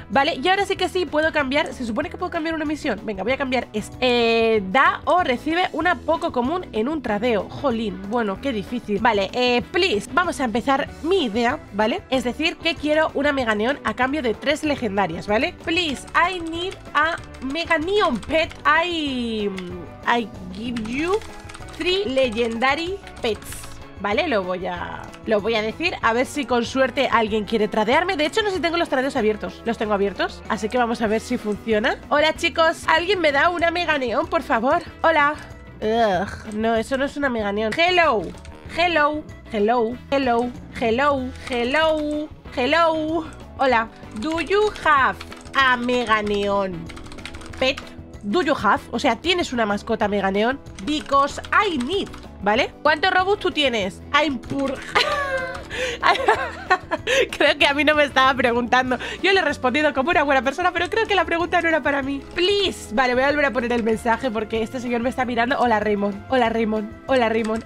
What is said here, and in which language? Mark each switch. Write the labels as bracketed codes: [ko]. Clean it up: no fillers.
[es] Vale, y ahora sí que sí puedo cambiar. Se supone que puedo cambiar una misión. Venga, voy a cambiar esta. Da o recibe una poco común en un tradeo. Jolín, bueno, qué difícil. Vale, please. Vamos a empezar mi idea, ¿vale? Es decir, que quiero una mega neón a cambio de 3 legendarias, ¿vale? [en] Please, I need a mega neon pet. I give you 3 legendary pets. [es] Vale, lo voy a decir. A ver si con suerte alguien quiere tradearme. De hecho, no sé si tengo los tradeos abiertos. Los tengo abiertos, así que vamos a ver si funciona. Hola, chicos, ¿alguien me da una mega neón, por favor? Hola. Ugh, no, eso no es una mega neón. [en] Hello, hello, hello, hello, hello, hello, hello. Hola. Do you have a mega neon pet? Do you have? [es] O sea, ¿tienes una mascota mega neon? [en] Because I need. [es] ¿Vale? ¿Cuántos Robux tú tienes? [en] I'm poor. [es] Creo que a mí no me estaba preguntando. Yo le he respondido como una buena persona, pero creo que la pregunta no era para mí. Please. Vale, voy a volver a poner el mensaje porque este señor me está mirando. Hola, Raymond. Hola, Raymond. Hola, Raymond.